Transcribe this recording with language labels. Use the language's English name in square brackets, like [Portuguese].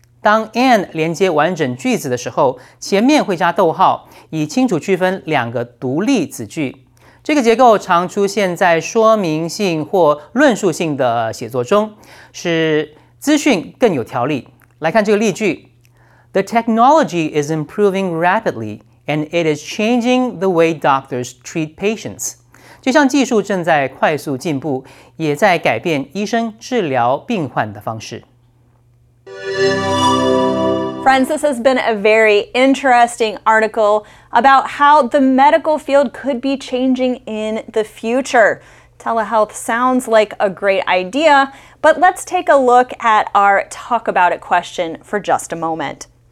[Chinese] 当 and 连接完整句子的时候，前面会加逗号，以清楚区分两个独立子句。这个结构常出现在说明性或论述性的写作中，使资讯更有条理。来看这个例句。 [English] The technology is improving rapidly, and it is changing the way doctors treat patients. [Chinese] 这项技术正在快速进步，也在改变医生治疗病患的方式。 [English] Friends, this has been a very interesting article about how the medical field could be changing in the future. Telehealth sounds like a great idea, but let's take a look at our talk about it question for just a moment.